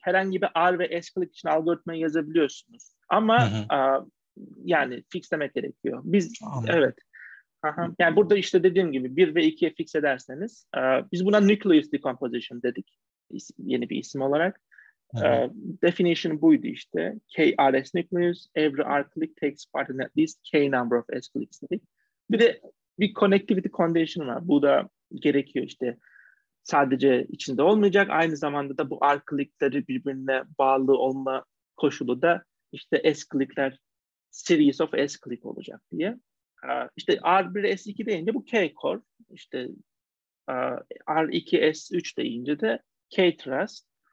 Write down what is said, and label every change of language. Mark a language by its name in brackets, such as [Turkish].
[Turkish] Herhangi bir R ve S kılık için algoritmayı yazabiliyorsunuz. Ama yani fixlemek gerekiyor. Biz Anladım. evet. Yani burada işte dediğim gibi 1 ve 2'ye fix ederseniz biz buna nucleus decomposition dedik. Yeni bir isim olarak. Definition buydu işte. [English] K RS nucleus, every R click takes part in at least K number of S clicks dedik. [Turkish] Bir de bir connectivity condition var. Bu da gerekiyor işte. Sadece içinde olmayacak. Aynı zamanda da bu R click'leri birbirine bağlı olma koşulu da işte S click'ler series of S click olacak diye. İşte R1 S2 deyince bu K core. İşte R2 S3 deyince de K trust.